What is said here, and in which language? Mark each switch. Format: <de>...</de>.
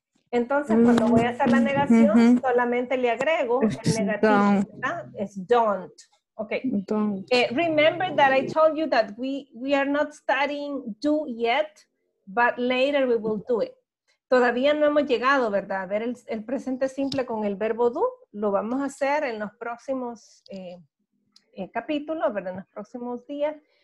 <es>Entonces, cuando voy a hacer la negación, solamente le agrego el negativo, ¿verdad?</es> <en>Es don't. Okay. Don't. Remember that I told you that we are not studying do yet, but later we will do it.</en> <es>Todavía no hemos llegado, ¿verdad? A ver el presente simple con el verbo do. Lo vamos a hacer en los próximos capítulos, ¿verdad? En los próximos días.</es>